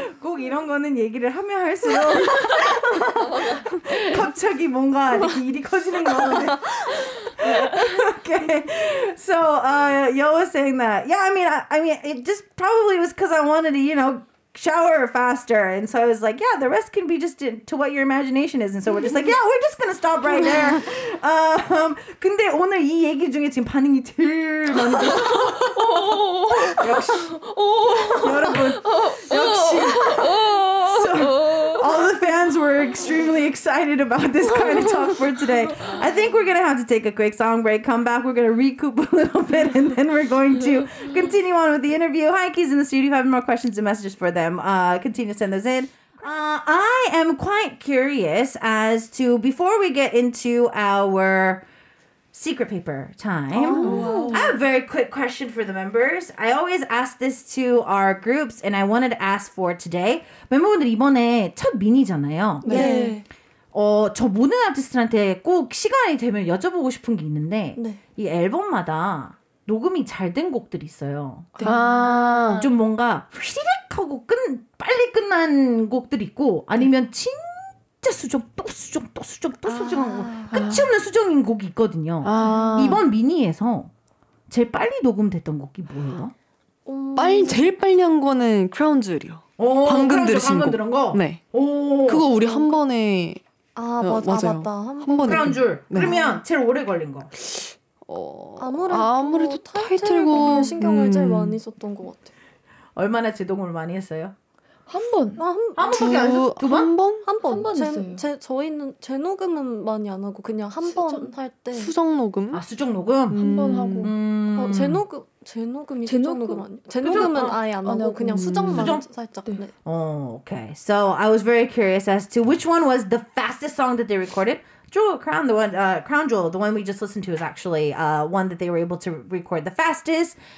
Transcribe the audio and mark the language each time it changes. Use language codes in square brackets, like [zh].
[ko] 꼭 이런 거는 얘기를 하면 할수록 갑자기 뭔가 이렇게 일이 커지는 거 같은데. [en] Okay, so Yael was saying that, yeah, I mean, it just probably was because I wanted to, you know, shower faster. And so I was like, yeah, the rest can be just to what your imagination is. And so we're just like, yeah, we're just going to stop right there. [ko] 근데 오늘 이 얘기 중에 지금 반응이 제일 많은 것 같아요. 역시. 여러분, 역시. [en] So, all the fans were extremely excited about this kind of talk for today. I think we're going to have to take a quick song break, come back. We're going to recoup a little bit, and then we're going to continue on with the interview. Hi, Keys in the studio. If you have any more questions and messages for them, continue to send those in. I am quite curious as to, before we get into our secret paper time, oh. I have a very quick question for the members. I always ask this to our groups, and I wanted to ask for today. [ko] 멤버분들 이번에 첫 미니잖아요. 네. 저 모든 아티스트한테 꼭 시간이 되면 여쭤보고 싶은 게 있는데, 네. 이 앨범마다 녹음이 잘 된 곡들이 있어요. 네. 아. 좀 뭔가 휘리릭 하고 빨리 끝난 곡들이 있고, 아니면 진 수정 또 수정 또 수정 또 수정한 거 끝이 없는 수정인 곡이 있거든요. 아. 이번 미니에서 제일 빨리 녹음됐던 곡이 뭐예요? 빨리 제일 빨리 한 거는 크라운 줄이요. 방금 들으신 거. 들은 거? 네. 오. 그거 우리 한 번에 맞아요. 맞다. 한 번에 크라운 줄. 네. 그러면 제일 오래 걸린 거. 아무래도 타이틀곡 신경을 제일 많이 썼던 것 같아요. 얼마나 제동을 많이 했어요? 한 번. 한 번밖에 안 했어요? 두 번? 한 번? 한 번 했어요. 저희는 재녹음은 많이 안 하고 그냥 한 번 할 때. 수정 녹음? 아, 수정 녹음? 한 번 하고. [en] Okay. So I was very curious as to which one was the fastest song that they recorded. Crown Jewel, the one we just listened to, is actually one that they were able to record the fastest.